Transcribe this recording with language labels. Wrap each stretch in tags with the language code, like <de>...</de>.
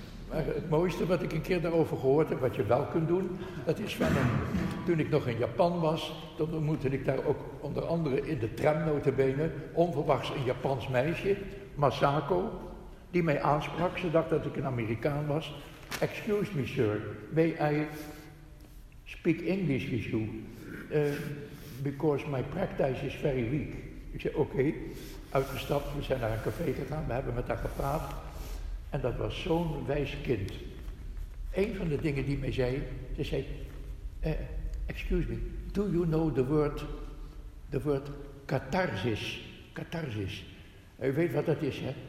<nl>Maar het mooiste wat ik een keer daarover gehoord heb, wat je wel kunt doen, dat is van een, toen ik nog in Japan was, dan ontmoette ik daar ook onder andere in de tram notabene, onverwachts een Japans meisje, Masako, die mij aansprak. Ze dacht dat ik een Amerikaan was.</nl> <en>Excuse me, sir, may I speak English with you? Because my practice is very weak.</en> <nl>Ik zei, oké, uitgestapt, we zijn naar een café gegaan, we hebben met haar gepraat. En dat was zo'n wijs kind. Een van de dingen die mij zei, ze zei,</nl> <en>excuse me, do you know the word catharsis?</en> <nl>Catharsis. U weet wat dat is, hè?</nl>